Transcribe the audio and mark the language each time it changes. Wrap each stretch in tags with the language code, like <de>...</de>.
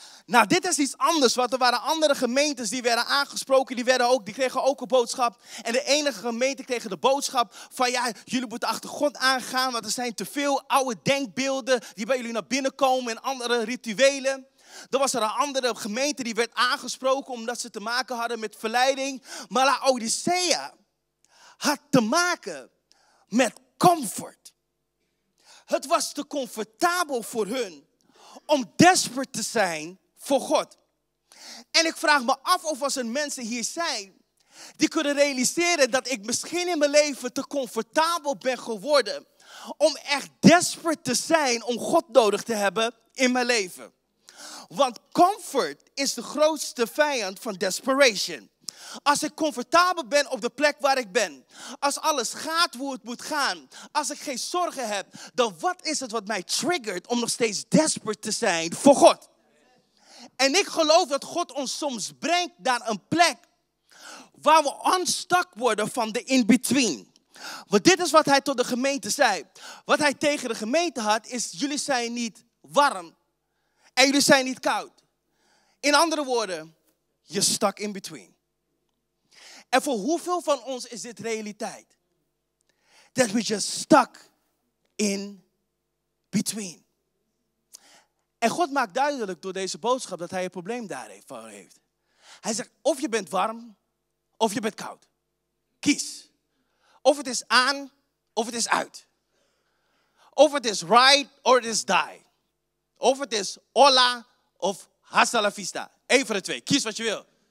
<nl>Nou, dit is iets anders, want er waren andere gemeentes die werden aangesproken, die kregen ook een boodschap. En de enige gemeente kreeg de boodschap van, ja, jullie moeten achter God aangaan, want er zijn te veel oude denkbeelden die bij jullie naar binnen komen en andere rituelen. Dan was er een andere gemeente die werd aangesproken omdat ze te maken hadden met verleiding. Maar Laodicea had te maken met comfort. Het was te comfortabel voor hun om desperate te zijn voor God. En ik vraag me af of als er mensen hier zijn die kunnen realiseren dat ik misschien in mijn leven te comfortabel ben geworden om echt desperate te zijn om God nodig te hebben in mijn leven. Want comfort is de grootste vijand van desperation. Als ik comfortabel ben op de plek waar ik ben. Als alles gaat hoe het moet gaan. Als ik geen zorgen heb. Dan wat is het wat mij triggert om nog steeds desperate te zijn voor God. En ik geloof dat God ons soms brengt naar een plek. Waar we onstuck worden van de in-between. Want dit is wat hij tot de gemeente zei. Wat hij tegen de gemeente had is, jullie zijn niet warm. En jullie zijn niet koud. In andere woorden, je</nl> <en>stuck in between.</en> <nl>En voor hoeveel van ons is dit realiteit?</nl> <en>That we just stuck in between.</en> <nl>En God maakt duidelijk door deze boodschap dat hij een probleem daarvan heeft. Hij zegt, of je bent warm, of je bent koud. Kies. Of het is aan, of het is uit. Of het is right,</nl> <en>or it is die.</en> <nl>Of het is hola of hasta la vista. Eén van de twee. Kies wat je wil.</nl>